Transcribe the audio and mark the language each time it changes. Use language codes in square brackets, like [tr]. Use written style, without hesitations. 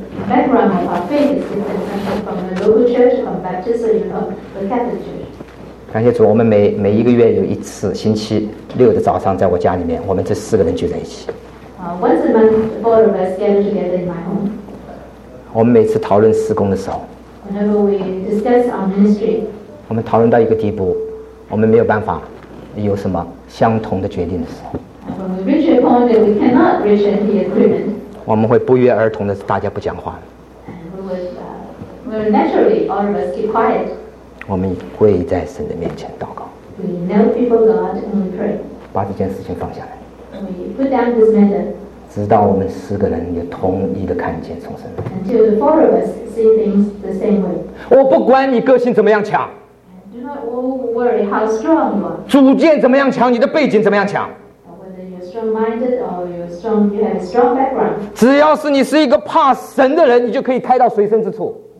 [en] Background of our faith is different from the local church, from Baptist, or from the Catholic church. [zh] 感谢主，我们每一个月有一次星期六的早上，在我家里面，我们这四个人聚在一起。 [en] Once a month, four of us gather together in my home. [zh] 我们每次讨论事工的时候 [en] ，Whenever we discuss our ministry, [zh] 我们讨论到一个地步，我们没有办法有什么相同的决定的时候 [en] ，When we reach a point that we cannot reach any agreement, [zh] 我们会不约而同的大家不讲话。 [en] And we will naturally all of us keep quiet. [zh] 我们跪在神的面前祷告。 [en] We kneel before God and we pray. [zh] 把这件事情放下来。 [en] We put down this matter. [zh] 直到我们四个人也统一的看见重生。 [en] Until the four of us see things the same way. [zh] 我不管你个性怎么样强。 [en] Do not worry how strong you are. [zh] 主见怎么样强，你的背景怎么样强。 [en] Whether you're strong-minded or you have a strong background. [zh] 只要是你是一个怕神的人，你就可以开到随身之处。